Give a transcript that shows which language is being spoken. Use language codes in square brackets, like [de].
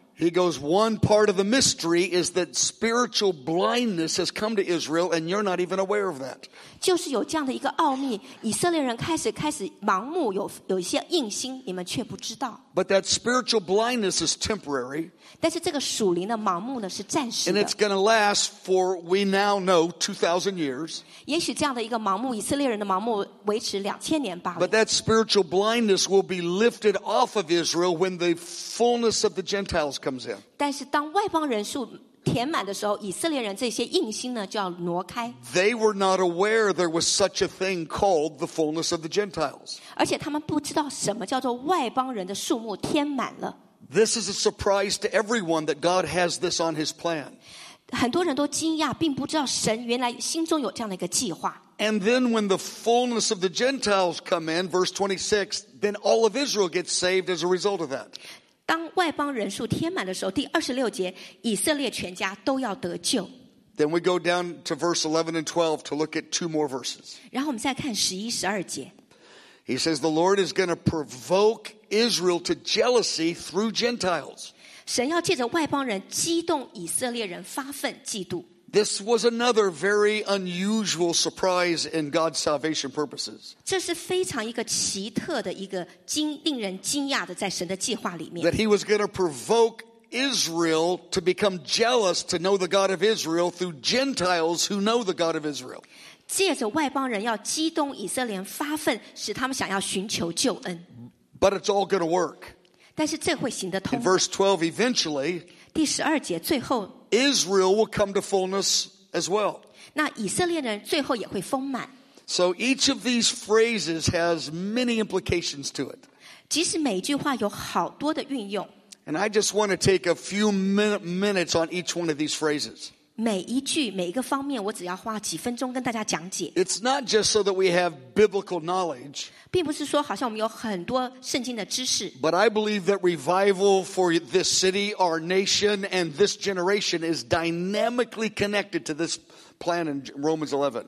[en] He goes, one part of the mystery is that spiritual blindness has come to Israel, and you're not even aware of that. [zh] 就是有这样的一个奥秘，以色列人开始盲目，有一些硬心，你们却不知道。 [en] But that spiritual blindness is temporary. [zh] 但是这个属灵的盲目呢，是暂时的。 [en] And it's going to last for we now know 2,000 years. [zh] 也许这样的一个盲目，以色列人的盲目维持2000年吧。 [en] But that spiritual blindness will be lifted off of Israel when the fullness of the Gentiles comes in. [zh] 但是当外邦人数填满的时候，以色列人这些硬心呢就要挪开。 [en] They were not aware there was such a thing called the fullness of the Gentiles. [zh] 而且他们不知道什么叫做外邦人的数目填满了。 [en] This is a surprise to everyone that God has this on His plan. [zh] 很多人都惊讶，并不知道神原来心中有这样的一个计划。 [en] And then when the fullness of the Gentiles come in, verse 26, then all of Israel gets saved as a result of that. [zh] 当外邦人数填满的时候，第二十六节，以色列全家都要得救。 [en] Then we go down to verse 11 and 12 to look at two more verses. [zh] 然后我们再看十一、十二节。 [en] He says the Lord is going to provoke Israel to jealousy through Gentiles. [zh] 神要借着外邦人激动以色列人发愤嫉妒。 [en] This was another very unusual surprise in God's salvation purposes. [zh] 这是非常一个奇特的一个令人惊讶的在神的计划里面。 [en] That he was going to provoke Israel to become jealous to know the God of Israel through Gentiles who know the God of Israel. [zh] 借着外邦人要激动以色列人发愤，使他们想要寻求救恩。 [en] But it's all going to work. [zh] 但是这会行得通。 [en] In verse 12, eventually, [zh] 第十二节最后 [en] Israel will come to fullness as well. [zh] 那以色列人最后也会丰满。 [en] So each of these phrases has many implications to it. [zh] 即使每一句话有好多的运用。 [en] And I just want to take a few minutes on each one of these phrases. [zh] 每一句每一个方面我只要花几分钟跟大家讲解。 [en] It's not just so that we have biblical knowledge. [zh] 并不是说好像我们有很多圣经的知识。 [en] But I believe that revival for this city, our nation, and this generation is dynamically connected to this plan in Romans 11.